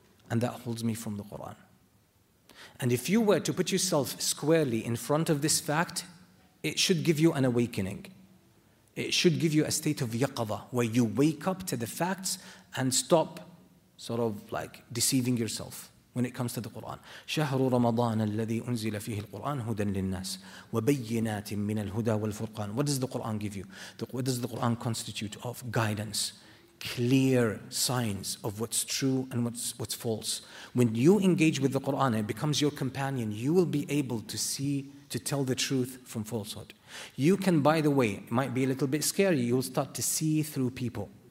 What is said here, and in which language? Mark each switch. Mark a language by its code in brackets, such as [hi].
[en] And that holds me from the Quran. And if you were to put yourself squarely in front of this fact, it should give you an awakening. It should give you a state of yaqadha, where you wake up to the facts and stop sort of like deceiving yourself. When it comes to the Quran, [ar] شهر رمضان الذي أنزل فيه القرآن هدى للناس وبينات من الهدى والفرقان. [en] What does the Quran give you? What does the Quran constitute of? Guidance, clear signs of what's true and what's false. When you engage with the Quran, it becomes your companion. You will be able to see, to tell the truth from falsehood. You can, by the way, it might be a little bit scary, you'll start to see through people.